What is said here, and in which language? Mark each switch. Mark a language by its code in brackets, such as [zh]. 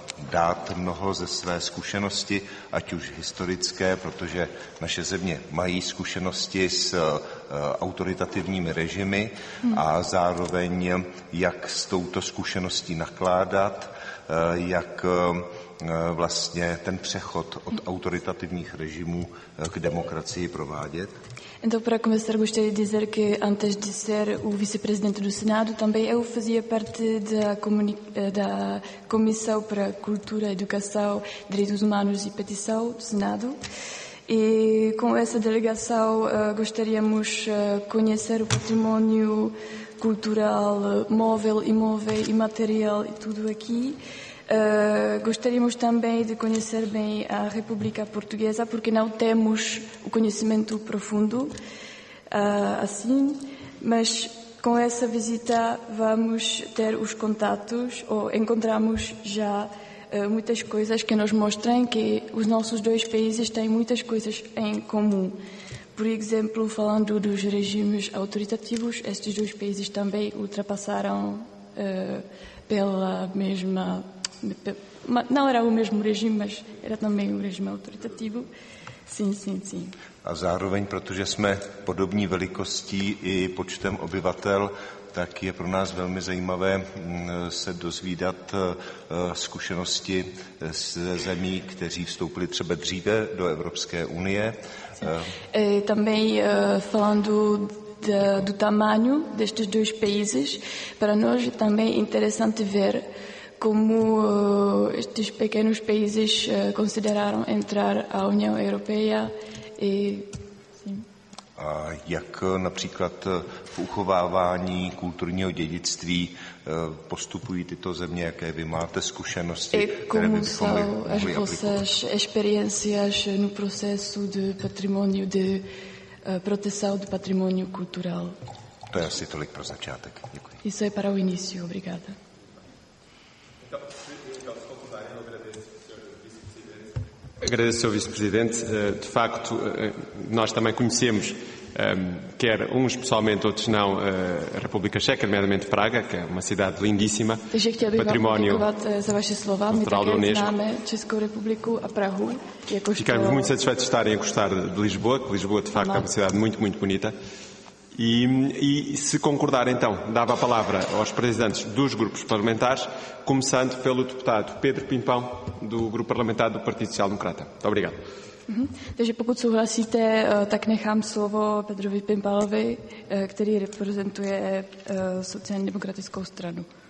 [cs] dát mnoho ze své zkušenosti, ať už historické, protože naše země mají zkušenosti s autoritativními režimy a zároveň jak s touto zkušeností nakládat, jak vlastně ten přechod od autoritativních režimů k demokracii provádět. [pt] Então, para começar, gostaria de dizer que, antes de ser o vice-presidente do Senado, também eu fazia parte da Comissão para Cultura, Educação, Direitos Humanos e Petição do Senado. E com essa delegação gostaríamos de conhecer o património cultural, móvel, imóvel e material e tudo aqui. Gostaríamos também de conhecer bem a República Portuguesa, porque não temos o conhecimento profundo assim, mas com essa visita vamos ter os contatos, ou encontramos já muitas coisas que nos mostrem que os nossos dois países têm muitas coisas em comum. Por exemplo, falando dos regimes autoritativos, estes dois países também ultrapassaram pela mesma... Não era o mesmo regime, mas era também o regime autoritativo. Sim, sim, sim. [cs] A zároveň, protože jsme podobní velikostí i počtem obyvatel, tak je pro nás velmi zajímavé se dozvídat zkušenosti ze zemí, kteří vstoupili třeba dříve do Evropské unie. [pt] Também falando do tamanho destes dois países, para nós também é interessante ver como estes pequenos países consideraram entrar à União Europeia e... Sim. [cs] A jak například v uchovávání kulturního dědictví postupují tyto země, jaké vy máte zkušenosti, které bychom mohli aplikovat? [pt] Como são as vossas experiências no processo de património, de proteção do património cultural? [cs] To je asi tolik pro začátek. Děkuji. [pt] Isso é para o início. Obrigada. Agradeço, Sr. Vice-Presidente. De facto, nós também conhecemos, quer uns pessoalmente, outros não, a República Checa, nomeadamente Praga, que é uma cidade lindíssima, património cultural da Unesco. Ficamos muito satisfeitos de estarem a gostar de Lisboa, que Lisboa, de facto, é uma cidade muito, muito bonita. E se concordar, então, dava a palavra aos presidentes dos grupos parlamentares, começando pelo deputado Pedro Pimpão, do Grupo Parlamentar do Partido Social Democrata. Muito obrigado. [cs] Takže pokud souhlasíte, tak nechám slovo Pedrovi Pimpalovi, který reprezentuje sociálně demokratickou stranu.